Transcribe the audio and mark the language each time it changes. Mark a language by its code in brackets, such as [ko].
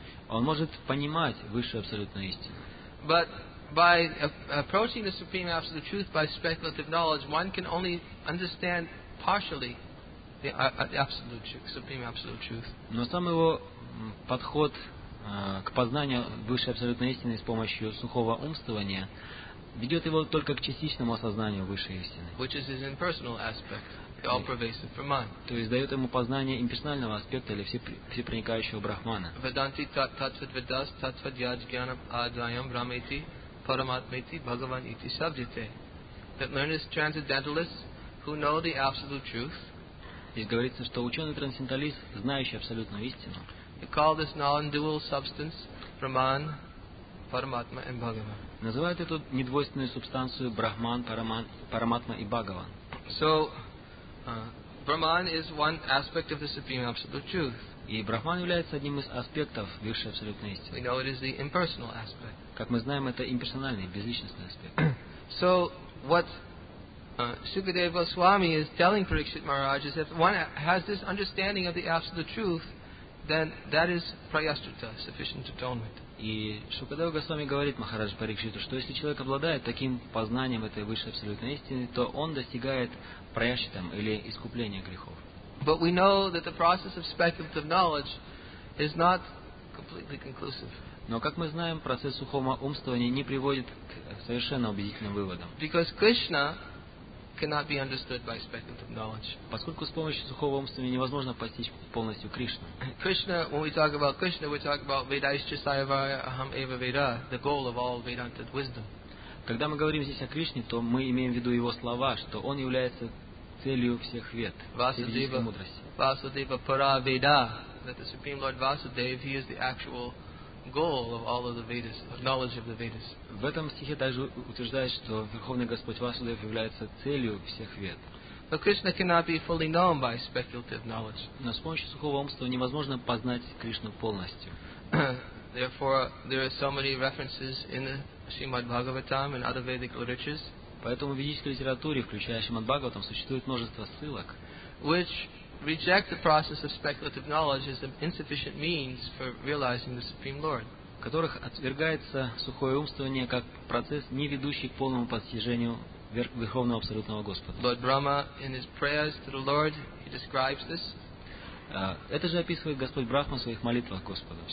[ru] Он может понимать высшую абсолютную истину. [en] But by approaching the supreme absolute truth by speculative knowledge, one can only understand partially the absolute truth, supreme absolute truth. [ru] Но сам его подход к познанию высшей абсолютной истины с помощью сухого умствования ведет его только к частичному осознанию высшей истины. [en] Which is his impersonal aspect, the all-pervasive Brahman. [ru] То есть дает ему познание имперсонального аспекта или всепроникающего Брахмана. [sa] Vedanti tatvadvidas tatvadyajnana adhyayam brahmeti paramatmeti bhagavan iti sabjite. [en] That learned transcendentalists who know the absolute truth. [ru] Здесь говорится, что ученый трансценденталист, знающий абсолютную истину. [en] They call this non-dual substance Brahman, Paramatma and Bhagavan. [ru] Называют эту недвойственную субстанцию Брахман, Параматма и Бхагаван. [en] So, Brahman is one aspect of the Supreme Absolute Truth. [ru] И Брахман является одним из аспектов Высшей Абсолютной Истины. [en] We know it is the impersonal aspect. [ru] Как мы знаем, это имперсональный, безличностный аспект. [en] So, what Sukadeva Goswami is telling Parikshit Maharaj is if one has this understanding of the Absolute Truth, then that is prayaschitta, sufficient atonement. [ru] И Шукадева Госвами говорит Махарадж Парикшиту, что если человек обладает таким познанием этой высшей абсолютной истины, то он достигает прайаситам или искупления грехов. [en] But we know that the process of speculative knowledge is not completely conclusive. [ru] Но как мы знаем, процесс сухого умствования не приводит к совершенно убедительным выводам. [en] Because Krishna cannot be understood by speculative knowledge. [ru] Поскольку с помощью сухого умствования невозможно постичь полностью Кришну. [en] Krishna, when we talk about Krishna, we talk about [sa] Vedaischa Saivaya Aham Eva Veda, [en] the goal of all Vedanta wisdom. [ru] Когда мы говорим здесь о Кришне, то мы имеем в виду его слова, что он является целью всех вед, всей мудрости. [sa] Vasudeva Para Veda, [en] that the Supreme Lord Vasudeva, he is the actual goal of all of the Vedas, of knowledge of the Vedas. [ru] В этом стихе также утверждается, что Верховный Господь Васудев является целью всех вед. [en] But Krishna cannot be fully known by speculative knowledge. [ru] Но с помощью сухого умства невозможно познать Кришну полностью. [en] Therefore, there are so many references in the Srimad Bhagavatam and other Vedic literatures. [ru] Поэтому в ведической литературе, включая Шримад Бхагаватам, существует множество ссылок, [en] which reject the process of speculative knowledge as an insufficient means for realizing the Supreme Lord. [ru] Которых отвергается сухое умствование как процесс, не ведущий к полному постижению Верховного Абсолютного Господа. [en] Lord Brahma, in his prayers to the Lord, he describes this. Это же описывает Господь Брахма в своих молитвах Господу.